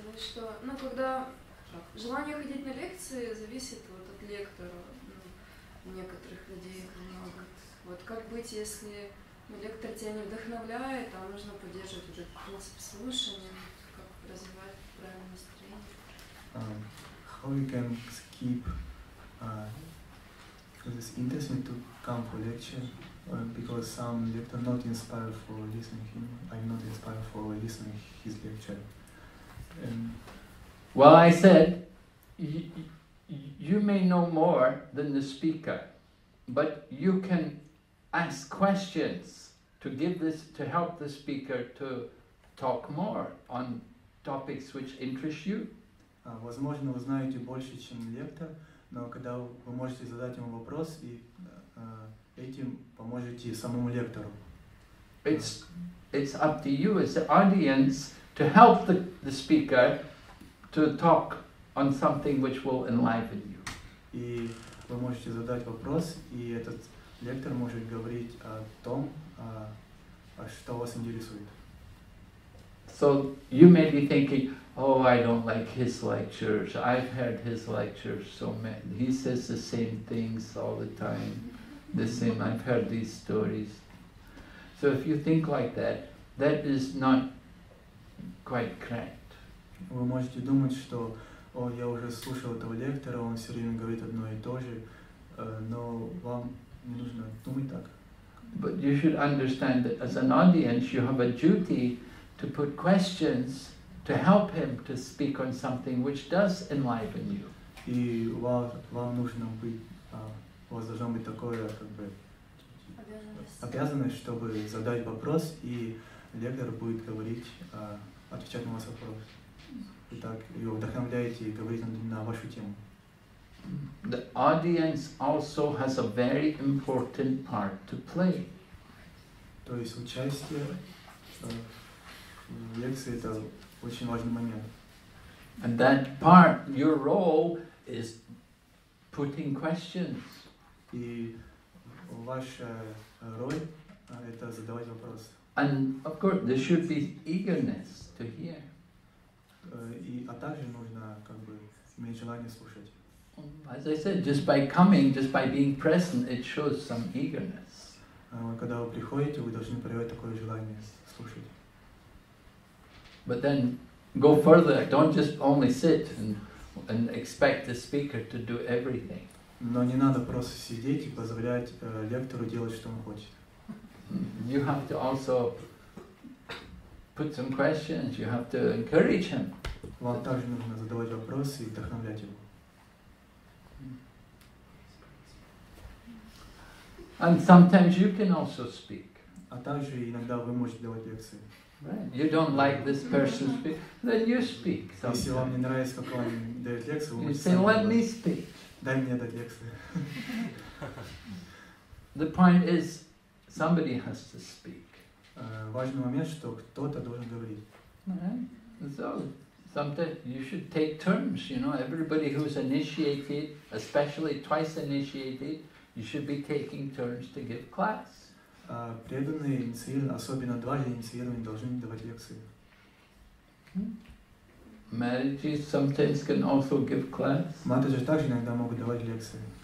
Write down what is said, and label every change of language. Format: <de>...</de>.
<ru>Что, ну, когда желание ходить на лекции зависит вот от лектора, ну, некоторых людей много. Вот как быть, если лектор тебя не вдохновляет, а нужно поддерживать уже принцип слушания, как развивать правильное настроение?</ru> <en>How you can skip, because it's interesting to come for lecture, because some lectors not inspired for listening him, I'm not inspired for listening his lecture. Well, I said, you may know more than the speaker, but you can ask questions to give this to help the speaker to talk more on topics which interest you.</en> <ru>Возможно, вы знаете больше, чем лектор, но когда вы можете задать ему вопрос и этим поможете самому лектору.</ru> <en>It's up to you as the audience to help the speaker to talk on something which will enliven you.</en> <ru>И вы можете задать вопрос, и этот лектор может говорить о том, что вас интересует.</ru> <en>So you may be thinking, oh, I don't like his lectures. I've heard his lectures so many. He says the same things all the time. The same, I've heard these stories. So if you think like that, that is not quite correct.</en> <ru>Вы можете думать, что я уже слушал этого лектора, он все время говорит одно и то же, но вам не нужно думать так.</ru> <en>But you should understand that as an audience, you have a duty to put questions to help him to speak on something which does enliven you.</en> <ru>И вам нужно быть, у вас должно быть такое как бы обязанность, чтобы задать вопрос, и лектор будет говорить. Отвечать на ваш вопрос. Итак, его вдохновляете и говорите на вашу тему.</ru> <en>The audience also has a very important part to play.</en> <ru>То есть участие в лекции это очень важный момент.</ru> <en>And that part, your role is putting questions.</en> <ru>И ваша роль это задавать вопрос.</ru> <en>And of course, there should be eagerness to hear.</en> <ru>И а также нужно как бы иметь желание слушать.</ru> <en>As I said, just by coming, just by being present, it shows some eagerness.</en> <ru>Когда вы приходите, вы должны проявить такое желание слушать.</ru> <en>But then, go further. Don't just only sit and expect the speaker to do everything.</en> <ru>Но не надо просто сидеть и позволять лектору делать, что он хочет.</ru> <en>You have to also put some questions. You have to encourage him.</en> <ru>Вам также нужно задавать вопросы и вдохновлять его.</ru> <en>And sometimes you can also speak.</en> <ru>А также иногда вы можете давать лекции.</ru> <en>Right. You don't like this person speak, then you speak. Sometimes.</en> <ru>Если вам не нравится, как он дает лекцию, вы</ru> <en>you say, let me speak.</en> <ru>Дай мне дать лекцию.</ru> <en>The point is, somebody has to speak.</en> <ru>Важный момент, что кто-то должен говорить.</ru> <en>Right. So sometimes you should take turns. You know, everybody who's initiated, especially twice initiated. You should be taking turns to give class.</en> <ru>Преданные инициированные, особенно дважды инициированные, должны давать лекции.</ru> <en>Матаджи sometimes can also give class.</en> <ru>Матаджи также иногда могут давать лекции.</ru>